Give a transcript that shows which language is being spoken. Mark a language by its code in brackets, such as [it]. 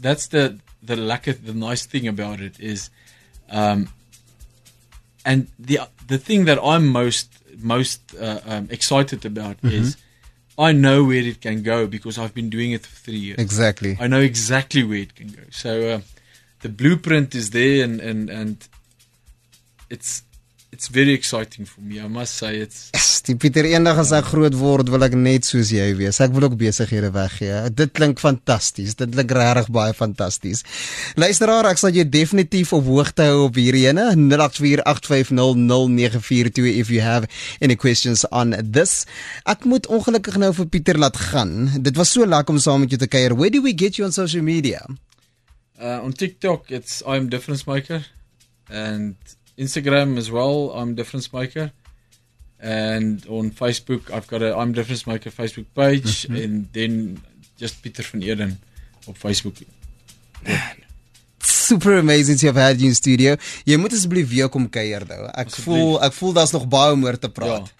[en] That's the nice thing about it is... And the thing that I'm most excited about mm-hmm. is I know where it can go because I've been doing it for 3 years. Exactly. I know exactly where it can go. So the blueprint is there and it's very exciting for me. I must say it's... [af] Die Pieter, eendag as ek groot word, wil ek net soos jy wees. Ek wil ook besighede weggee. Dit klink fantasties. Dit klink regtig baie fantasties. Luisteraar, ek sal jou definitief op hoogte hou op hierdie ene. [en] 084-850-0942 if you have any questions on this. [af] Ek moet ongelukkig nou vir Pieter laat gaan. Dit was so lekker om saam met jou te kuier. [en] Where do we get you on social media? On TikTok, it's I'm Difference Maker. And... Instagram as well, I'm Difference Maker. And on Facebook, I've got a I'm Difference Maker Facebook page. Mm-hmm. And then just Pieter van Eerden op Facebook. Man, super amazing to have had you in studio. [af] Jy moet asblief weer kom kuier, though. Ek voel daar's nog baie om oor te praat.